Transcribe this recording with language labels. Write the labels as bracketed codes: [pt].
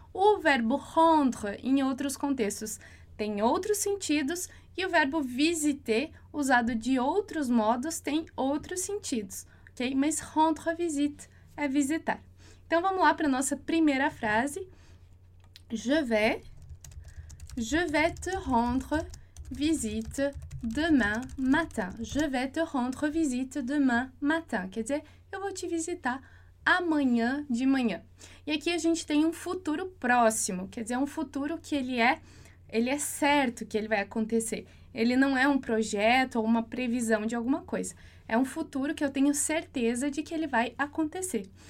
[pt] O verbo rendre, em outros contextos, tem outros sentidos, e o verbo visiter, usado de outros modos, tem outros sentidos, ok? Mas rendre visite é visitar. Então, vamos lá para a nossa primeira frase. [fr] Je vais te rendre visite demain matin. Je vais te rendre visite demain matin. [pt] Quer dizer, eu vou te visitar amanhã de manhã. E aqui a gente tem um futuro próximo, quer dizer, um futuro que ele é certo que ele vai acontecer. Ele não é um projeto ou uma previsão de alguma coisa. É um futuro que eu tenho certeza de que ele vai acontecer.